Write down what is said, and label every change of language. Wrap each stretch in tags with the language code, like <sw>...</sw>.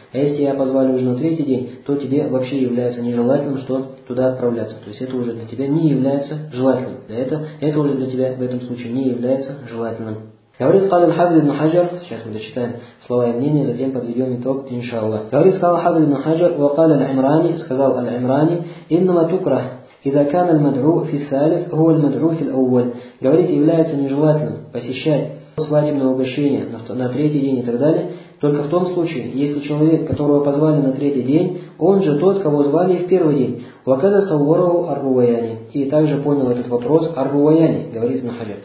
<ru>А если тебя позвали уже на третий день, то тебе вообще является нежелательным, что туда отправляться. То есть это уже для тебя не является желательным. Это уже для тебя в этом случае не является желательным. Говорит</ru> <ar>قال الحافظ ابن حجر,</ar> <ru>сейчас мы дочитаем слова и мнения, затем подведем итог иншааллах. Говорит</ru> <ar>قال الحافظ ابن حجر وقال العمراني,</ar> <ru>сказал</ru> <ar>العمراني انما تكره اذا كان المدعو في الثالث هو المدعو في الاول.</ar> <ru>Говорит, является нежелательным посещать свадебное угощение на третий день и так далее только в том случае, если человек, которого позвали на третий день, он же тот, кого звали в первый день.</ru> <ar>Вакада саввараху ар-руваяни.</ar> <ru>И также понял этот вопрос ар-руваяни, говорит Ибн Хаджар.</ru>